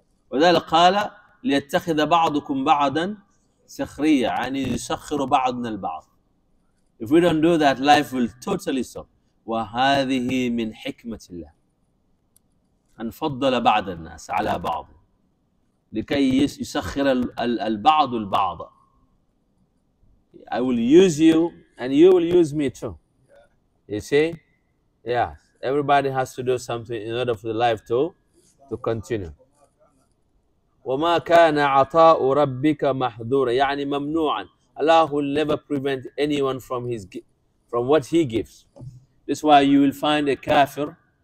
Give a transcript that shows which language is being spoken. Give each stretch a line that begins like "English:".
Arabic: وذلك قال ليتخذ بعضكم بعضا سخرية يعني يسخر بعضنا البعض.
English: If we don't do that, life will totally stop.
Arabic: وهذه من حكمة الله. أن فضل بعض الناس على بعض لكي يسخر البعض البعض.
English: I will use you and you will use me too. You see? Yes. Everybody has to do something in order for the life to continue.
Arabic: وما كان عطاء ربك محذورا يعني ممنوعا.
English: Allah will never prevent anyone from his from what he gives. This is why you will find a kafir.